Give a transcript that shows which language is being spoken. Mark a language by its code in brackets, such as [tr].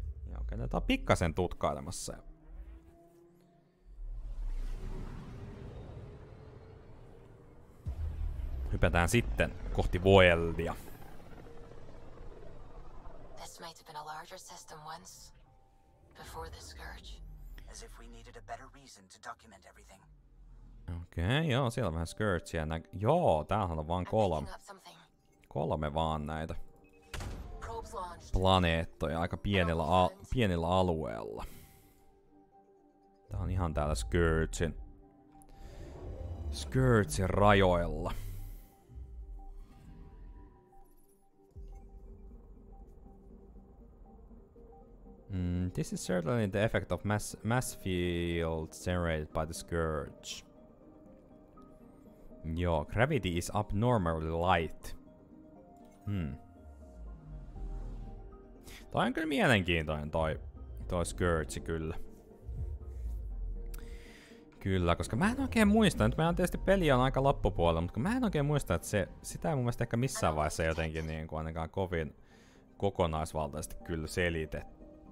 [fi] Joo, käydään tämä pikkasen tutkailemassa. Hypätään sitten kohti Voeldia. [en] This might have been a larger system once before the scourge. As if we needed a better reason to document everything. [fi] Okei, joo, siellä on vähän scourgea. Joo, täällähän on vaan kolme vaan näitä planeettoja aika pienellä alueella. Tää on ihan täällä Scourgen rajoilla. [en] This is certainly the effect of mass fields generated by the scourge. Joo, gravity is abnormally light. [fi] Toi on kyllä mielenkiintoinen toi scourge kyllä. Kyllä, koska mä en oikein muista, nyt meillä on tietysti peli on aika loppupuolella, mutta mä en oikein muista, että sitä ei mun mielestä ehkä missään vaiheessa jotenkin niin kuin ainakaan kovin kokonaisvaltaisesti kyllä selitetty.